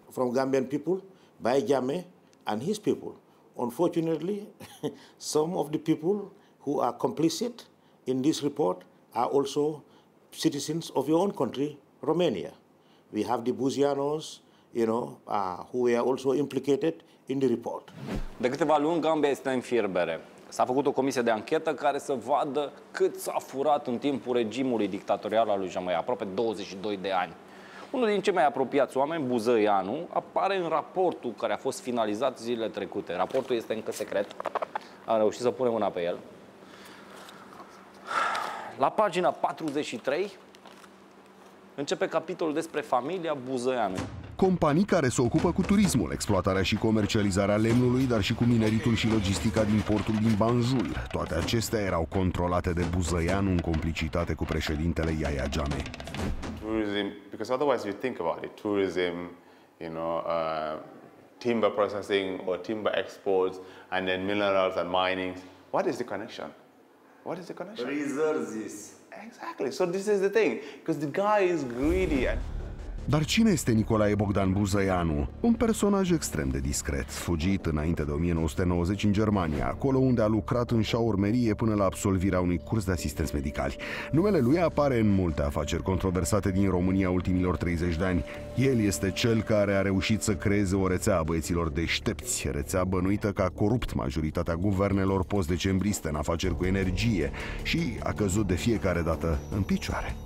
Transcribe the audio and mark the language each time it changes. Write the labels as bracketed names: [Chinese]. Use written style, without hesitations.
[English] From Gambian people by Jammeh and his people. Unfortunately, some of the people who are complicit in this report are also citizens of your own country, Romania. We have the Buzianos, you know, who are also implicated in the report. [Romanian] De câteva luni, Gambia este în fierbere. S-a făcut o comisie de anchetă care să vadă cât s-a furat în timpul regimului dictatorial al lui Jammeh, aproape 22 de ani. Unul din cei mai apropiați oameni, Buzăianu, apare în raportul care a fost finalizat zilele trecute. Raportul este încă secret. Am reușit să punem mâna pe el. La pagina 43 începe capitolul despre familia Buzăianu. Companii care se ocupă cu turismul, exploatarea și comercializarea lemnului, dar și cu mineritul și logistica din portul din Banjul. Toate acestea erau controlate de Buzăianu în complicitate cu președintele Yahya Jammeh. [English] Tourism, because otherwise you think about it, tourism, you know, timber processing or timber exports and then minerals and mining. What is the connection? What is the connection? Resources. Exactly. So this is the thing, because the guy is greedy and... [Romanian] Dar cine este Nicolae Bogdan Buzăianu? Un personaj extrem de discret, fugit înainte de 1990 în Germania, acolo unde a lucrat în șaurmerie până la absolvirea unui curs de asistenți medicali. Numele lui apare în multe afaceri controversate din România ultimilor 30 de ani. El este cel care a reușit să creeze o rețea a băieților deștepți, rețea bănuită ca corupt majoritatea guvernelor post-decembriste în afaceri cu energie și a căzut de fiecare dată în picioare.